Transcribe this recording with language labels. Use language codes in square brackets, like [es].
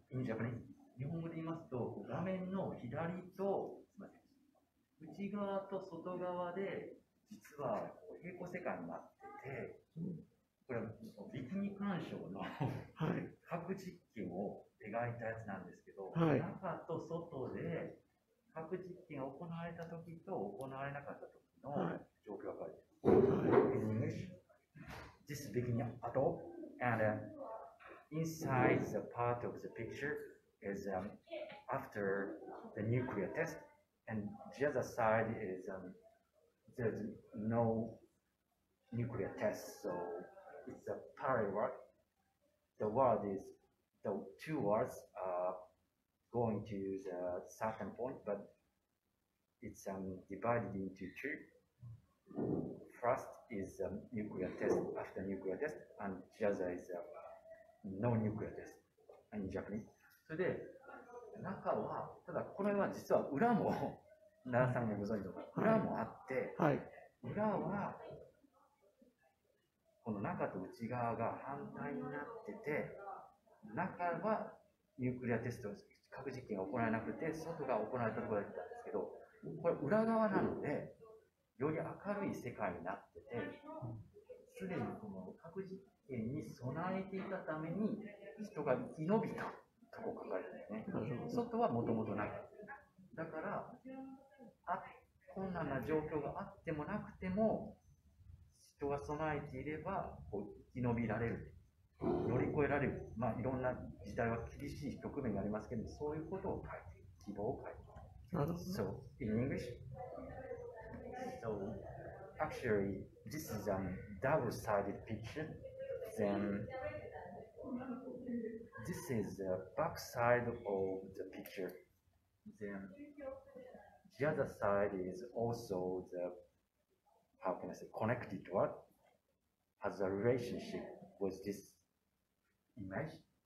[en] In Japanese, [ja] 日本語で言いますと、画面の左と内側と外側で実は平行世界になってて、これはビキニ干渉の核実験を描いたやつなんですけど、はい、中と外で核実験が行われた時と行われなかった時の状況が分かる。はい、 [en] In English, this is Bikini Atoll, and inside the part of the picture is after the nuclear test. And the other side is there's no nuclear test, so it's a parallel. The world is the two worlds are going to the certain point, but it's divided into two. First is nuclear test after nuclear test, and the other is no nuclear test in Japanese. So the [ja] 中はただこれは実は裏も奈良さんもご存知の裏もあって、はいはい、裏はこの中と内側が反対になってて、中はニュークリアテスト核実験が行われなくて外が行われたところだったんですけど、これ裏側なのでより明るい世界になってて、すでにこの核実験に備えていたために人が生き延びたとこ書かれてるね。外はもともとなかった。だから困難な状況があってもなくても人が備えていればこう生き延びられる、乗り越えられる、まあ、いろんな時代は厳しい局面がありますけども、そういうことを書いている、希望を書いている。 [en] So in English, so actually this is a double-sided picture, then this is the back side of the picture, thenThe other side is also the, how can I say, connected one, has a relationship with this image.